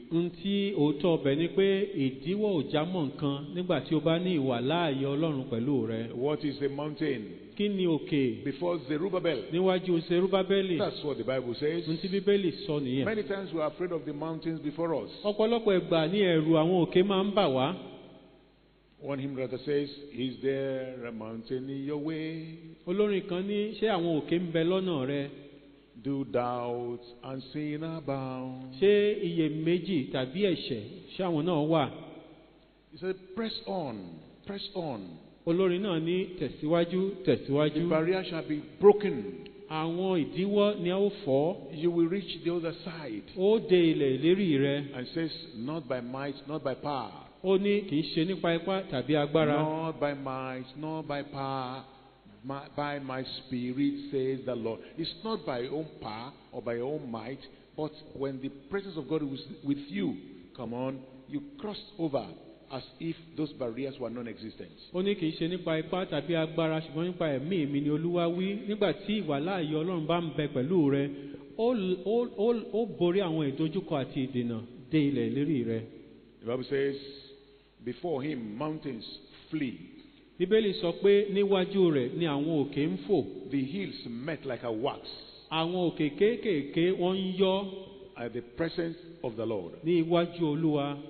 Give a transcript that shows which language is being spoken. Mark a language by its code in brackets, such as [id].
[yo] Ntí òótọ́ ọbẹ̀ ni pé ìdíwọ́ ò já mọ́ nǹkan nígbà tí o bá ní ìwà láàyè Ọlọ́run pẹ̀lú rẹ. [en] What is the mountain? [yo] Kí ni òkè? [en] Before Zerubbabel. [yo] Níwájú Zerubbabel. [en] That's what the Bible says. [yo] Ntí Bíbélì sọ nìyẹn. [en] Many times we are afraid of the mountains before us. [yo] Ọ̀pọ̀lọpọ̀ ìgbà ni ẹ̀rù àwọn òkè máa ń bà wá. [en] One hymn writer says, is there a mountain in your way? [yo] Olórin kan ní ṣé àwọn òkè ń bẹ lọ́nà rẹ. [en] Do doubt and sin abound? [yo] Ṣé iyèméjì tàbí ẹ̀ṣẹ̀ ṣé àwọn náà wà? [en] He said, press on, press on. [yo] Olórin náà ní tẹ̀síwájú, tẹ̀síwájú. [en] The barrier shall be broken. [yo] Àwọn ìdíwọ́ ni a ó fọ́. [en] You will reach the other side. [yo] Ó de ilẹ̀ ìlérí rẹ. [en] And says, not by might, not by power. [yo] Ó ní kìí ṣe nípa ipá tàbí agbára. [en] Not by might, not by power. By my spirit, says the Lord. It's not by your own power or by your own might, but when the presence of God is with you, come on, you cross over as if those barriers were non-existent. [yo] Ó ní kìí ṣe nípa ipá tàbí agbára ṣùgbọ́n nípa ẹ̀mí mi ni Olúwa wí. Nígbà tí ìwà láàyè Ọlọ́run bá ń bẹ pẹ̀lú rẹ, ó borí àwọn ìdojúkọ àti ìdènà dé ilẹ̀ ìlérí rẹ. [en] The Bible says, before him mountains flee. [yo] Bíbélì sọ pé níwájú rẹ̀ ni àwọn òkè ń fò. [en] The hills melt like a wax. [yo] Àwọn òkè kéékèèké wọ́n ń yọ. [en] At the presence of the Lord. [yo] Ní iwájú Olúwa.